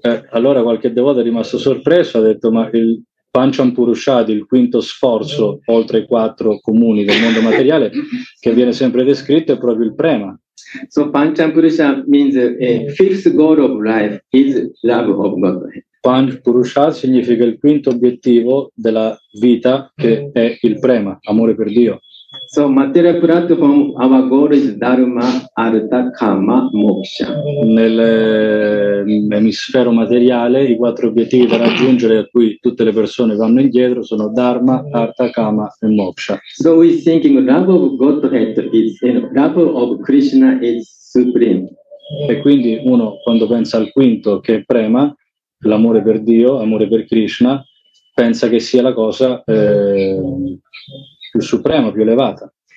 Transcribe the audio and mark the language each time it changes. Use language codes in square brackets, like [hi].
[it] Allora qualche devoto è rimasto sorpreso, ha detto, ma il pancham purushadi, il quinto sforzo, oltre i quattro comuni del mondo materiale, che viene sempre descritto, è proprio il prema. [en] So pancham purusha means fifth goal of life is love of Godhead. [it] Pancham purusha significa il quinto obiettivo della vita, che è il prema, amore per Dio. [en] So material platform our goal is dharma, artha, kama, moksha. [it] Nell'emisfero materiale i quattro obiettivi da raggiungere a cui tutte le persone vanno indietro sono dharma, artha, kama e moksha. [en] So we thinking love of Godhead is, you know, love of Krishna is supreme. [it] E quindi uno quando pensa al quinto che è prema, l'amore per Dio, amore per Krishna, pensa che sia la cosa più suprema, più elevata.